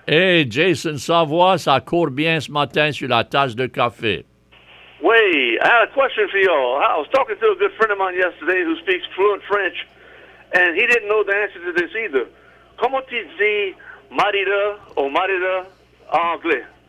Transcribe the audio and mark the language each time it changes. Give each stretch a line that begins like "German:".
French: Hey, Jason Savoie, ça court bien ce matin sur la tasse de café.
English: Oui, I had a question for y'all. I was talking to a good friend of mine yesterday who speaks fluent French, and he didn't know the answer to this either.
French: Comment tu dis malheureux ou malheureux en anglais?